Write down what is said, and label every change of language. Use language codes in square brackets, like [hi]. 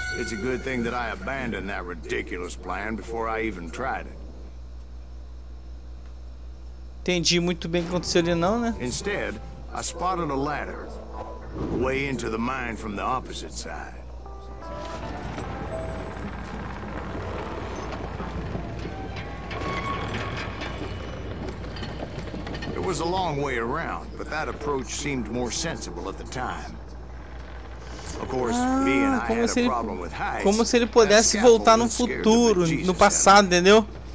[en] It's a good thing that I abandoned that ridiculous plan before I even tried it. [pt] Entendi muito bem o que aconteceu ali, não, né? [en] Instead, I spotted a ladder. Way into the mine from the opposite side. It was a long way around, but that approach seemed more sensible at the time. Of course, me and I had a problem with heights. [pt] Como se ele pudesse voltar no futuro, no passado, entendeu?